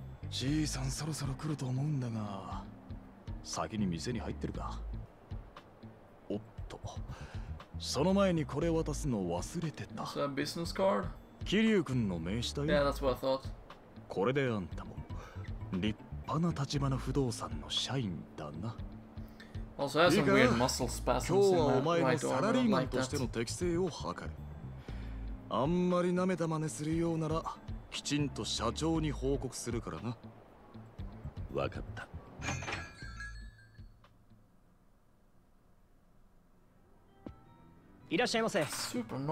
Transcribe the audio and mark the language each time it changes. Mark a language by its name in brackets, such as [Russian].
[Japanese] じいさんそろそろ来ると思うんだが、先に店に入ってるか。おっと、その前にこれ渡すの忘れてた。 [English] Is that a business card? [Japanese] キリュウ君の名刺だよ。 [English] Yeah, that's what I thought. [Japanese] これであんたも立派な立場の不動産の社員だな。 [English] Also has some weird muscle spasms in that right arm. I don't like that. [Japanese] 今日はお前のサラリーマンとしての適性を測る。あんまり舐めた真似するようなら、きちんと社長に報告するからな。わかった。いらっしゃいませ。 [English] Super annoying.